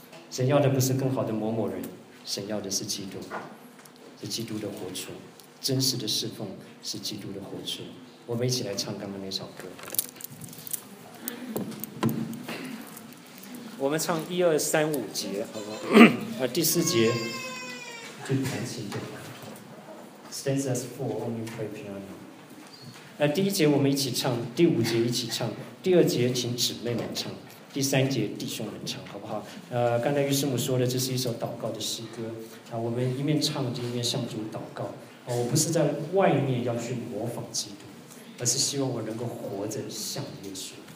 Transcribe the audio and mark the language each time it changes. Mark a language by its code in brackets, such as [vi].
[zh] 神要的不是更好的某某人，神要的是基督，是基督的活出，真实的侍奉是基督的活出。我们一起来唱刚刚那首歌，我们唱一二三五节，好不好？第四节就弹琴就 [en] Stanzas four only play piano。 [zh] 第一节我们一起唱，第五节一起唱，第二节请姊妹们唱，第三节弟兄们唱，好不好？刚才于师母说的，这是一首祷告的诗歌啊。我们一面唱就一面向主祷告啊。我不是在外面要去模仿基督，而是希望我能够活着像耶稣。